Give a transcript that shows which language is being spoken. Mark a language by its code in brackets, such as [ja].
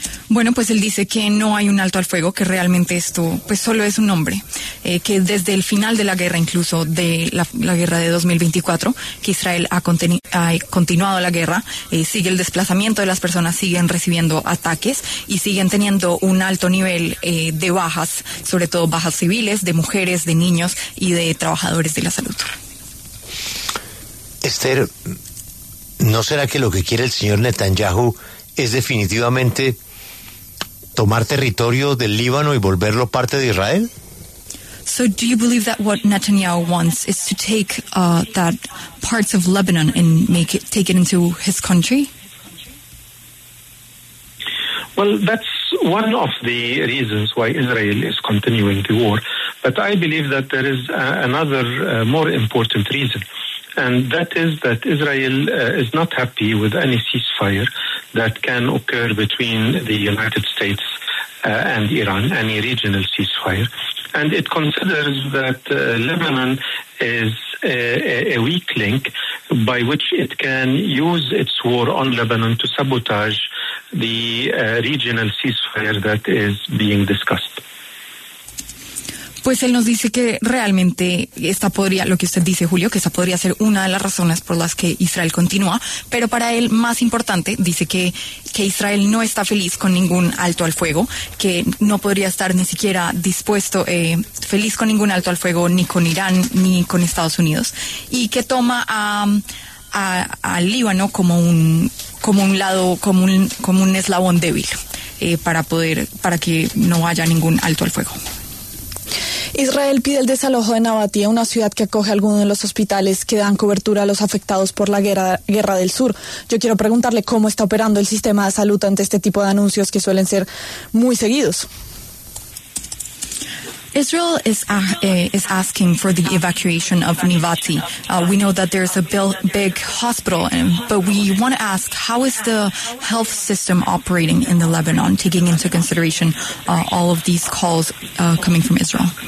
[es] Bueno, pues él dice que no hay un alto al fuego, que realmente esto pues solo es un nombre, que desde el final de la guerra, incluso de la guerra de 2024, que Israel ha continuado la guerra, sigue el desplazamiento de las personas, siguen recibiendo ataques y siguen teniendo un alto nivel de bajas, sobre todo bajas civiles, de mujeres, de niños y de trabajadores de la salud. Esther, ¿no será que lo que quiere el señor Netanyahu es definitivamente tomar territorio del Líbano y volverlo parte de Israel? [en] So do you believe that what Netanyahu wants is to take that parts of Lebanon and take it into his country? Well, that's one of the reasons why Israel is continuing the war. But I believe that there is another more important reason. And that is that Israel is not happy with any ceasefire that can occur between the United States and Iran, any regional ceasefire. And it considers that Lebanon is a weak link by which it can use its war on Lebanon to sabotage the regional ceasefire that is being discussed. [es] Pues él nos dice que realmente esta podría, lo que usted dice, Julio, que esta podría ser una de las razones por las que Israel continúa, pero para él, más importante, dice que Israel no está feliz con ningún alto al fuego, que no podría estar ni siquiera dispuesto, feliz con ningún alto al fuego, ni con Irán, ni con Estados Unidos, y que toma a Líbano como un eslabón débil, para que no haya ningún alto al fuego. Israel pide el desalojo de Nabatía, una ciudad que acoge algunos de los hospitales que dan cobertura a los afectados por la guerra del sur. Yo quiero preguntarle cómo está operando el sistema de salud ante este tipo de anuncios que suelen ser muy seguidos. [en] Israel is asking for the evacuation of Nivati. We know that there's a big hospital, but we want to ask, how is the health system operating in the Lebanon, taking into consideration all of these calls coming from Israel?